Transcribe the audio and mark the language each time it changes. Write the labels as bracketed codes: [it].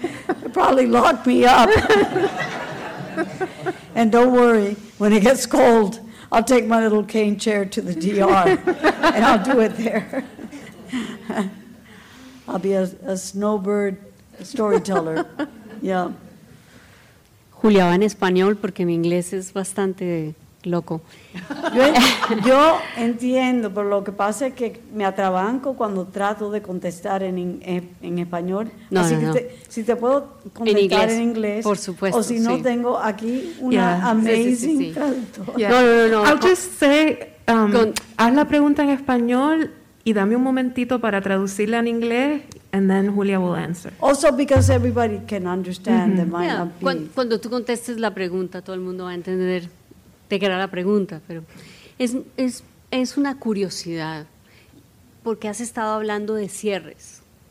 [en] It'll probably lock me up. And don't worry, when it gets cold, I'll take my little cane chair to the DR, and I'll do it there. I'll be a snowbird storyteller. Yeah. [es] Julia, va en español porque mi inglés es bastante loco. Yo entiendo, pero lo que pasa es que me atrabanco cuando trato de contestar en español. No, así no, que no. Si te puedo contestar en inglés. Por supuesto. O si no, sí. Tengo aquí una amazing traductor. [en] Yeah. No. I'll just say, [es] haz la pregunta en español y dame un momentito para traducirla en inglés, [en] and then Julia will answer. Also because everybody can understand that might not be. [es] Cuando tú contestes la pregunta, todo el mundo va a entender. Te quedará la pregunta, pero es una curiosidad, porque has estado hablando de cierres.